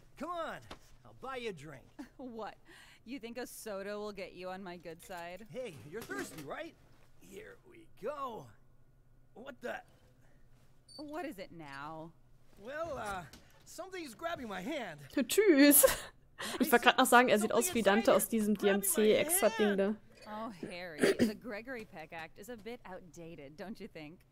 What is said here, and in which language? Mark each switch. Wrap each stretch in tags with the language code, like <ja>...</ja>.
<en>Come on. I'll buy you a drink. What? You think a soda will get you on my good side? Hey, you're thirsty, right? Here we go. What the? What is it now? Well, something's grabbing my hand.</en> <de>Tschüss. Ich wollte gerade noch sagen, er sieht aus wie Dante aus diesem DMC-Extra-Ding da.</de> <en>Oh, Harry, the Gregory Peck Act is a bit outdated, don't you think?</en>